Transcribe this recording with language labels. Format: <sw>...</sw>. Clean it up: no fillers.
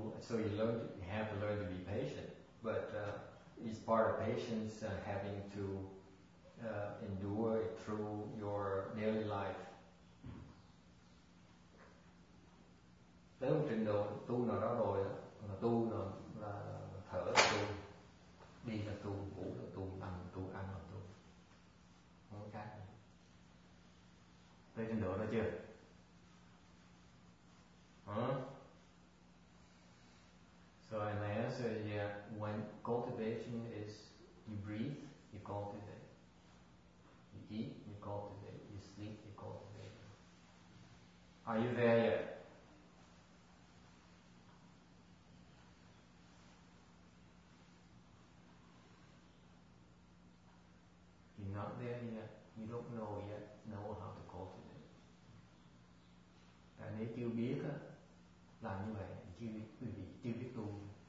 <en>You have to learn to be patient, but is part of patience having to endure it through your daily life?</en> <vi>Tới một trình độ tu nào đó rồi đó, tu là thở là tu, đi là tu, ngủ là tu, ăn là tu. Không có cách. Tới trình độ đó chưa? Hả?</vi> <en>So and my answer is yeah, when cultivation is you breathe, you cultivate. You eat, you cultivate. You sleep, you cultivate. Are you there yet? Not there yet, you don't know yet, know how to cultivate.</en> <vi>Tại nếu chưa biết á, làm như vậy thì chưa biết, quý vị chưa biết tu.</vi>